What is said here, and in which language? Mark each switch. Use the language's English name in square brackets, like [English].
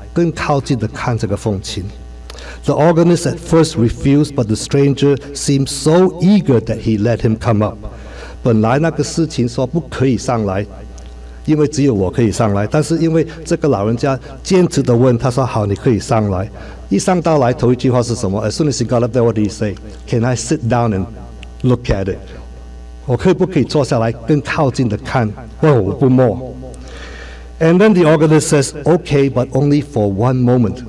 [Chinese] 我可以不可以上那个楼梯从后面来更靠近的看这个风琴? [English] The organist at first refused, but the stranger seemed so eager that he let him come up. [Chinese] 本来那个事情说不可以上来, 因为只有我可以上来,但是因为这个老人家坚持地问,他说好,你可以上来。一上到来,头一句话是什么? [English] As soon as he got up there, what did he say? Can I sit down and look at it? [Chinese] 我可以不可以坐下来,更靠近地看?哦,不摸。 [English] And then the organist says, okay, but only for one moment.